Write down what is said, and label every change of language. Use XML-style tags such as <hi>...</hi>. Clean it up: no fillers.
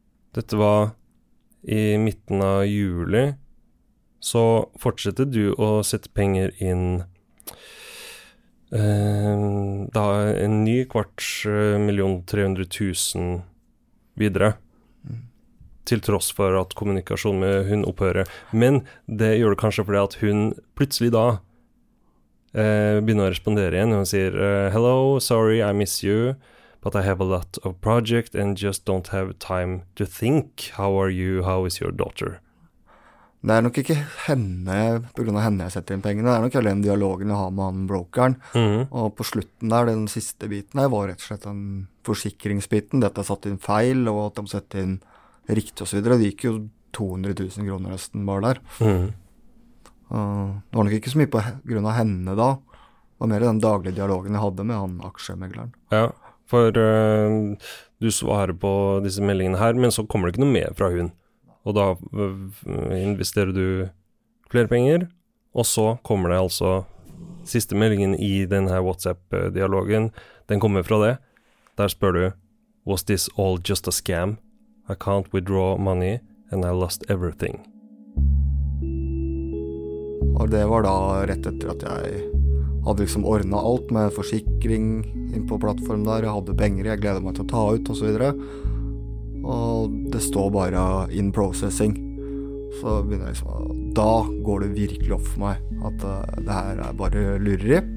<no>Dette var i midten av juli, så fortsette du å sette penger inn da en ny kvart million 300 000 videre, til tross for at kommunikasjon med hun opphører. Men det gjør det kanskje fordi at hun plutselig da begynner å respondere igjen. Hun sier,</no> <en>hello, sorry, I miss you, but I have a lot of project and just don't have time to think. How are you? How is your daughter?</en> <no>Det er nok ikke henne, på grunn av henne jeg setter inn pengene. Det er nok hele den dialogen jeg har med han, brokeren. Mm. Og på slutten der, den siste biten her, var rett og slett den forsikringsbiten. Dette satt inn feil, og at de sette inn riktig og så videre. Det gikk jo 200 000 kroner nesten bare der. Mm. Det var nok ikke så mye på grunn av henne da. Det var mer den daglige dialogen jeg hadde med han, aksjemegleren. Ja, for du svarer på disse meldingene her, men så kommer det ikke noe mer fra hun. Og da investerer du flere penger, og så kommer det altså siste meldingen i denne WhatsApp-dialogen. Den kommer fra det. Der spør du,</no> <en>was this all just a scam? I can't withdraw money, and I lost everything.</en> <no>Og det var da rett etter at jeg hadde liksom ordnet alt med forsikring inn på plattformen der. Jeg hadde penger, jeg gleder meg til å ta ut, og så videre. Og det står bare</no> <en>in processing.</en> <no>Så begynner jeg liksom, da går det virkelig opp for meg at det her er bare lureri.</no>